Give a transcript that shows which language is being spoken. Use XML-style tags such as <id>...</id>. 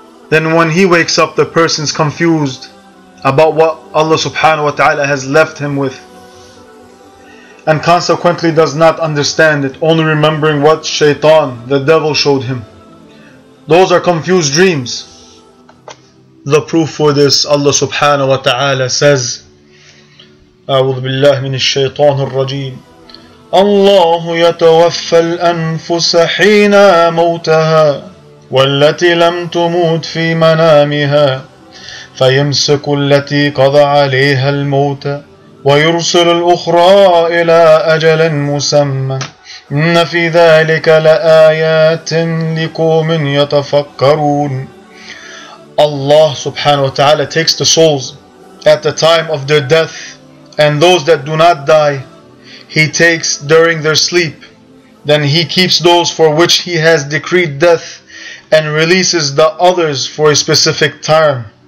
<en>Then when he wakes up, the person's confused about what Allah subhanahu wa ta'ala has left him with, and consequently does not understand it, only remembering what shaitan, the devil, showed him. Those are confused dreams. The proof for this, Allah subhanahu wa ta'ala says,</en> <ar>أعوذ بالله من الشيطان الرجيم الله يتوفى الأنفس حين موتها والتي لم تموت في منامها فيمسك التي قضى عليها الموت ويرسل الأخرى إلى أجل مسمى إن في ذلك لآيات لقوم يتفكرون.</ar> <en>Allah subhanahu wa ta'ala takes the souls at the time of their death, and those that do not die, he takes during their sleep. Then he keeps those for which he has decreed death and releases the others for a specific term.</en>